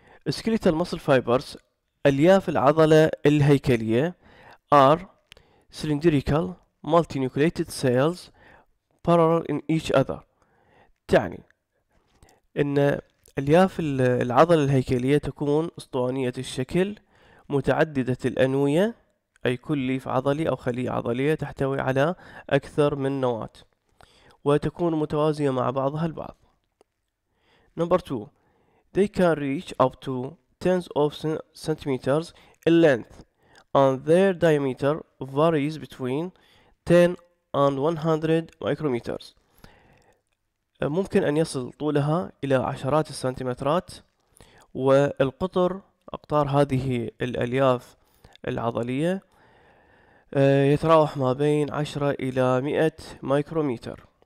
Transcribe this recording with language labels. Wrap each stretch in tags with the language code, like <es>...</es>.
<en>skeletal muscle fibers،</en> <ar>ألياف العضلة الهيكلية،</ar> <en>are cylindrical multinucleated cells parallel in each other،</en> <ar>تعني أن ألياف العضلة الهيكلية تكون أسطوانية الشكل متعددة الأنوية، أي كل ليف عضلي أو خلية عضلية تحتوي على أكثر من نواة وتكون متوازية مع بعضها البعض.</ar> <en>Number two, they can reach up to tens of centimeters in length and their diameter varies between 10 and 100 micrometers.</en> <ar>ممكن أن يصل طولها إلى عشرات السنتيمترات، والقطر أقطار هذه الألياف العضلية يتراوح ما بين 10 إلى 100 micrometer.</ar>